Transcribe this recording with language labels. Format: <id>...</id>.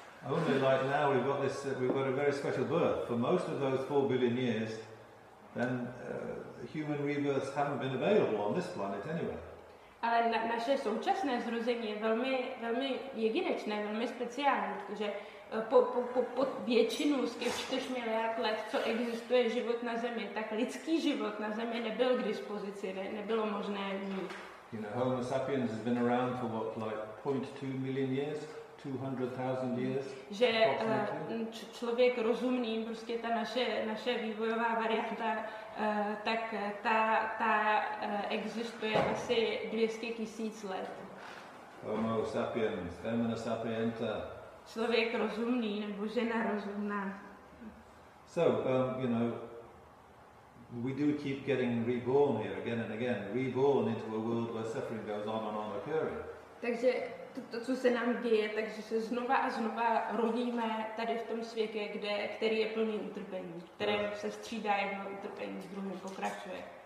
<en>Only like now we've got this, we've got a very special birth. For most of those 4 billion years, then human rebirths haven't been available on this planet anyway.</en> <cs>Ale naše současné zrození je velmi, velmi jedinečné, velmi speciální, protože po většinu z těch 4 miliard let, co existuje život na Zemi, tak lidský život na Zemi nebyl k dispozici, nebylo možné mít.</cs> <en>You know, Homo sapiens has been around for what, like 0.2 million years? 200,000 years?</en> <cs>Že člověk rozumný, prostě ta naše vývojová varianta, tak ta existuje asi 200 tisíc let.</cs> <la>Homo sapiens, femina sapienta.</la> <cs>Člověk rozumný nebo žena rozumná.</cs> <en>So, you know, we do keep getting reborn here again and again, reborn into a world where suffering goes on and on occurring.</en> <cs>Takže to, co se nám děje, takže se znova a znova rodíme tady v tom světě, který je plný utrpení, které se střídá jedno utrpení s druhým, pokračuje.</cs>